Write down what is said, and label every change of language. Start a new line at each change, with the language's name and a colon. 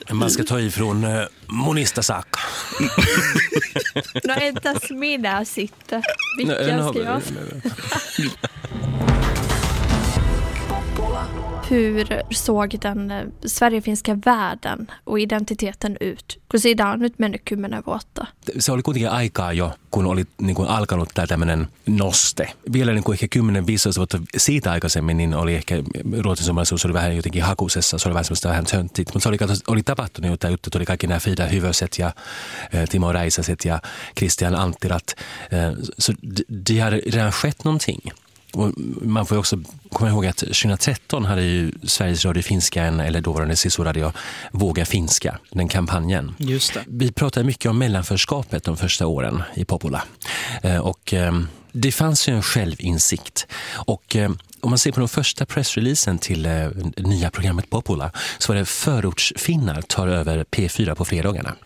Swedish: Man ska ta ifrån Monista Sack. Nå, änta smidda och sitta. Vilken ska jag? Hur såg den sverigefinska världen och identiteten ut?
Finnish: Kun siitä on nyt mennyt 10 vuotta. Se oli kuitenkin aikaa jo, kun oli niin kuin alkanut tämä tämmöinen noste. Vielä niin kuin ehkä 10-15 vuotta siitä aikaisemmin, niin oli ehkä ruotsin suomalaisuus oli vähän jotenkin hakusessa. Se oli vähän semmoista vähän tönttiä. Mutta se oli tapahtunut jo tämä juttu. Tuli kaikki nämä Frida Hyvöset ja Timo Räisäset ja Christian Anttilat.
Swedish: Så det hade redan skett någonting. Man får ju också komma ihåg att 2013 hade ju Sveriges Radio Finska, eller dåvarande SISO Radio, Våga Finska, den kampanjen. Just det. Vi pratade mycket om mellanförskapet de första åren i Popola. Och det fanns ju en självinsikt. Och om man ser på den första pressreleasen till nya programmet Popola, så var det förortsfinnar tar över P4 på fredagarna.